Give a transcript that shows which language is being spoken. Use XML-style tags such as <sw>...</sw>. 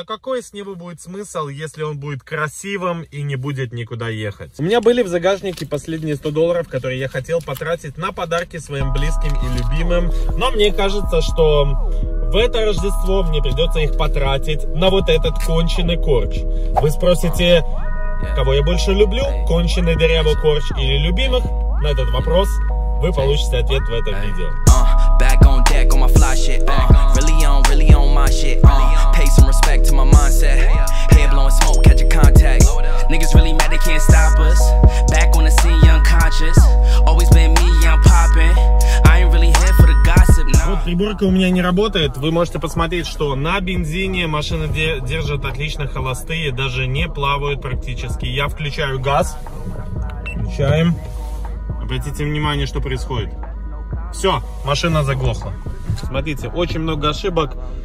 <ru>Но какой с него будет смысл, если он будет красивым и не будет никуда ехать? У меня были в загашнике последние $100, которые я хотел потратить на подарки своим близким и любимым. Но мне кажется, что в это Рождество мне придется их потратить на вот этот конченый корч. Вы спросите, кого я больше люблю, конченый дырявый корч или любимых? На этот вопрос вы получите ответ в этом видео.</ru> <en>Back on deck on my fly shit, really on my shit, pay some respect to my mindset, head blowing smoke, catch a contact, niggas really mad, they can't stop us, back on the scene, young conscious, always been me, young popping, I ain't really here for the gossip, nah.</en> <ru>Вот приборка у меня не работает, вы можете посмотреть, что на бензине машина держит отлично, холостые, даже не плавают практически. Я включаю газ, включаем, обратите внимание, что происходит. Все, машина заглохла. Смотрите, очень много ошибок.</ru>